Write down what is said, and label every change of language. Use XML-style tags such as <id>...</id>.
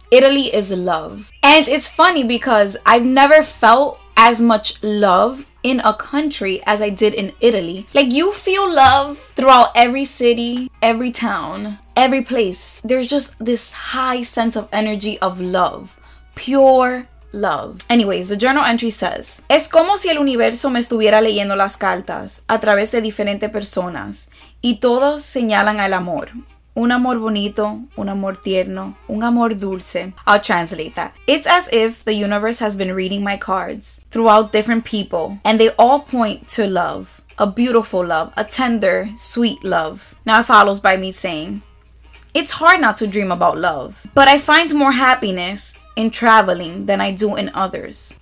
<en>Italy is love. And it's funny because I've never felt as much love in a country as I did in Italy. Like, you feel love throughout every city, every town, every place. There's just this high sense of energy of love. Pure love. Anyways, the journal entry says,</en> <es>es como si el universo me estuviera leyendo las cartas a través de diferentes personas y todos señalan al amor. Un amor bonito, un amor tierno, un amor dulce.</es> <en>I'll translate that. It's as if the universe has been reading my cards throughout different people, and they all point to love. A beautiful love, a tender, sweet love. Now it follows by me saying, it's hard not to dream about love, but I find more happiness in traveling than I do in others.</en>